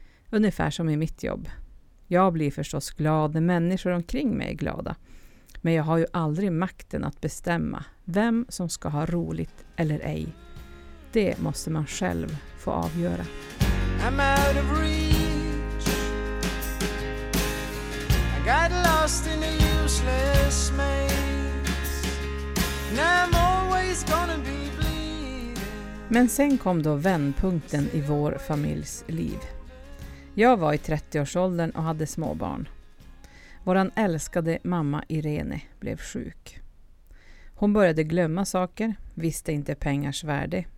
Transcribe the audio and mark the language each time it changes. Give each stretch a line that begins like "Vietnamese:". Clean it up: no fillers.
Swedish: Ungefär som i mitt jobb. Jag blir förstås glad när människor omkring mig är glada. Men jag har ju aldrig makten att bestämma vem som ska ha roligt eller ej. Det måste man själv få avgöra.
English: I'm out of reach. I got lost in a useless maze. And I'm always gonna be bleeding.
Swedish: Men sen kom då vändpunkten i vår familjs liv. Jag var i 30-årsåldern och hade småbarn. Våran älskade mamma Irene blev sjuk. Hon började glömma saker, visste inte pengars värde.